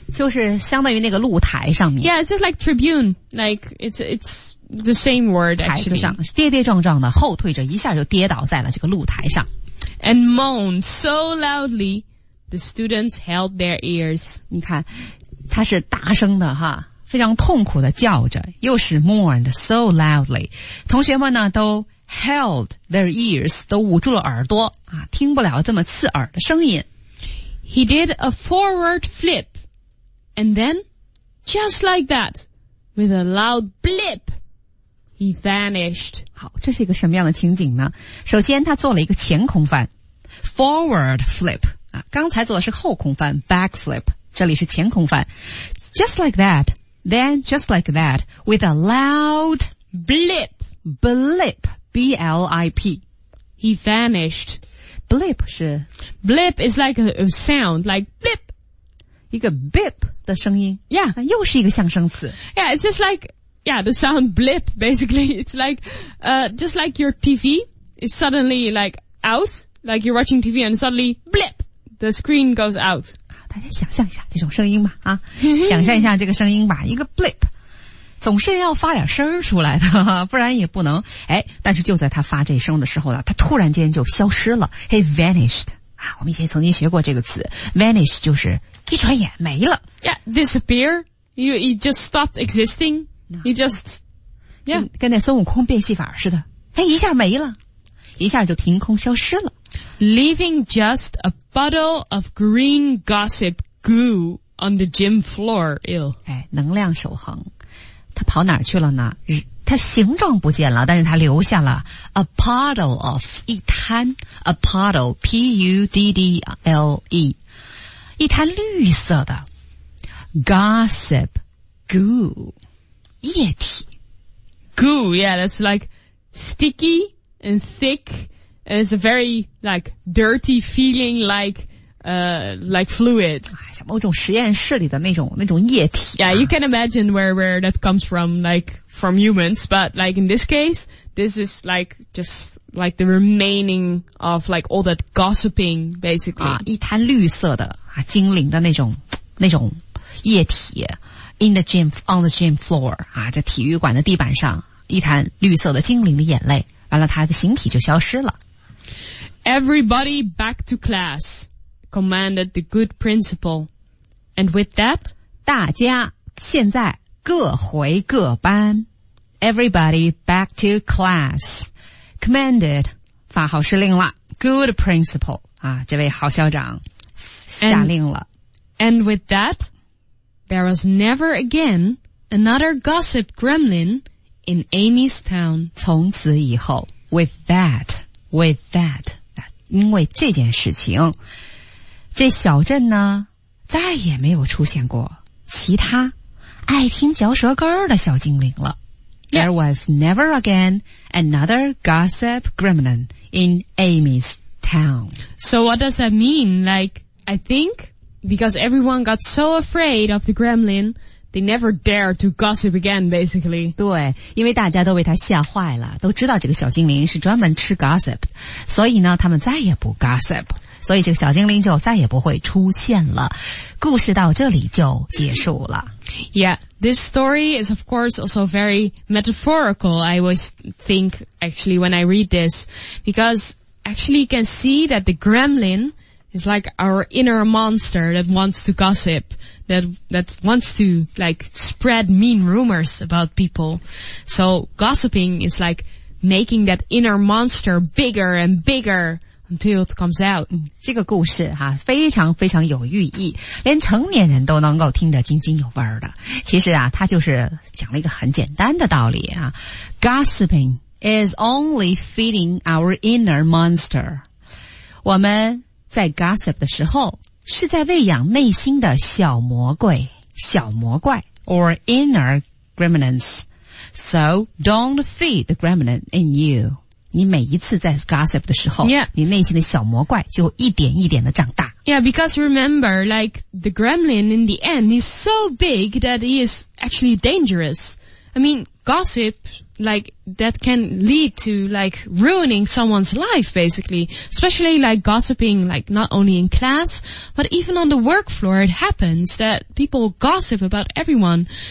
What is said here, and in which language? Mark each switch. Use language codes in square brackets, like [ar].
[zh] 就是相当于那个露台上面。 [en] Yeah, it's just like tribune. Like, it's the same word actually. [zh] 台子上跌跌撞撞的后退着一下就跌倒在了这个露台上。 [en] And moaned so loudly, the students held their ears. [zh] 你看他是大声的哈。非常痛苦的叫着又是 [en] mourned so loudly [zh] 同学们呢都 [en] held their ears [zh] 都捂住了耳朵听不了这么刺耳的声音 [en] He did a forward flip and then just like that with a loud blip he vanished [zh] 好这是一个什么样的情景呢首先他做了一个前空翻 [en] forward flip [zh] 刚才做的是后空翻 [en] back flip [zh] 这里是前空翻 [en] just like thatThen, just like that, with a loud blip, blip, B-L-I-P, he vanished. [zh] Blip 是 [en] Blip is like a sound, like blip. [zh] 一个 bip 的声音。 [en] Yeah. [zh] 又是一个象声词。 [en] Yeah, it's just like, yeah, the sound blip, basically. It's like, just like your TV is suddenly like out, like you're watching TV and suddenly blip, the screen goes out. [zh] 大家想象一下这种声音吧啊想象一下这个声音吧一个 blip 总是要发点声出来的不然也不能哎但是就在他发这声的时候呢他突然间就消失了 [en] he vanished [zh] 啊我们以前曾经学过这个词 vanish 就是一转眼没了 [en] yeah disappear you just stopped existing you just yeah [zh] 跟那孙悟空变戏法似的哎一下没了一下就凭空消失了 [en] Leaving just a puddle of green gossip goo on the gym floor. Ew. [zh] 哎，能量守恒，他跑哪儿去了呢？他形状不见了，但是他留下了 [en] a puddle of [zh] 一滩 a puddle p u d d l e 一滩绿色的 [en] gossip goo [zh] 液体 [en] goo. Yeah, that's like sticky and thick.And it's a very, like, dirty feeling, like, like fluid. [zh] 像某种实验室里的那种液体。 [en] Yeah, you can imagine where that comes from, like from humans, but like in this case, this is like just like the remaining of like all that gossiping, basically. [zh] 一滩绿色的精灵的那种液体 , [en] in the gym, on the gym floor, [zh] 在体育馆的地板上一滩绿色的精灵的眼泪完了它的形体就消失了。 [en] Everybody back to class, commanded the good principal. And with that, [zh] 大家现在各回各班。 [en] Everybody back to class, commanded, [zh] 发号施令了 [en] good principal, [zh] 这位好校长下令了。 [en] And with that, there was never again another gossip gremlin in Amy's town. [zh] 从此以后 [en] with that, [zh] 因为这件事情这小镇呢再也没有出现过其他爱听嚼舌根的小精灵了。 [en] Yeah. There was never again another gossip gremlin in Amy's town. So what does that mean? Like, I think... Because everyone got so afraid of the gremlin, they never dared to gossip again, basically. [zh] 对，因为大家都被他吓坏了，都知道这个小精灵是专门吃 gossip, 所以呢，他们再也不 gossip, 所以这个小精灵就再也不会出现了。故事到这里就结束了。 [en] Yeah, this story is of course also very metaphorical, I always think, actually, when I read this, because actually you can see that the gremlin,It's like our inner monster that wants to gossip, that wants to like spread mean rumors about people. So gossiping is like making that inner monster bigger and bigger until it comes out. [zh] 这个故事哈非常非常有寓意，连成年人都能够听得津津有味的。其实啊，它就是讲了一个很简单的道理啊。 [en] Gossiping is only feeding our inner monster. [zh] 我们在 gossip 的时候是在喂养内心的小魔怪 [en] or inner gremlins. So don't feed the gremlin in you. [zh] 你每一次在 gossip 的时候、 [en] yeah. [zh] 你内心的小魔怪就一点一点的长大。 [en] Yeah, because remember, like, the gremlin in the end is so big that he is actually dangerous. I mean, gossip... Like, that can lead to, like, ruining someone's life, basically. Especially, like, gossiping, like, not only in class, but even on the work floor, it happens that people gossip about everyone.